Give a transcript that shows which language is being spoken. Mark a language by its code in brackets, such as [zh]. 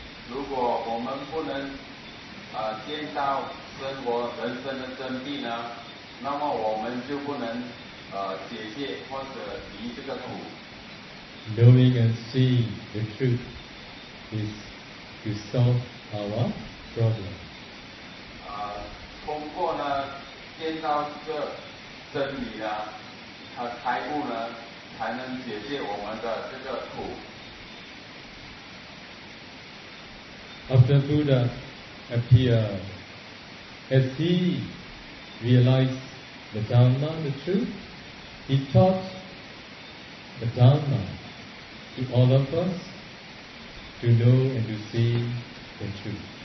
[zh] 如果我们不能见到生活人生的真谛呢，那么我们就不能解决或者离这个苦。 [en] Knowing and seeing the truth is to solve our problem. [zh] 通过呢见到这个真理呢，开悟呢，才能解决我们的这个苦。 [en] After Buddha appeared, as he realized the Dhamma, the truth, he taught the Dhamma to all of us to know and to see the truth.